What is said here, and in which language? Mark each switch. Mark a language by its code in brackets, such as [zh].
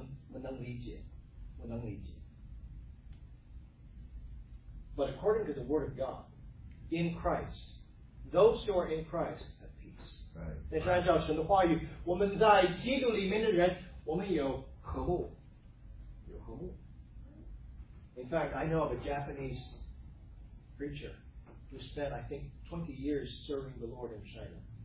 [zh] 我学过这个历史，我能理解。 [en] But according to the Word of God, in Christ, those who are in Christ have peace. Right. [zh] 但是按照神的话语，我们在基督里面的人。我们有和睦。 [en] In fact, I know of a Japanese preacher who spent, I think, 20 years serving the Lord in China.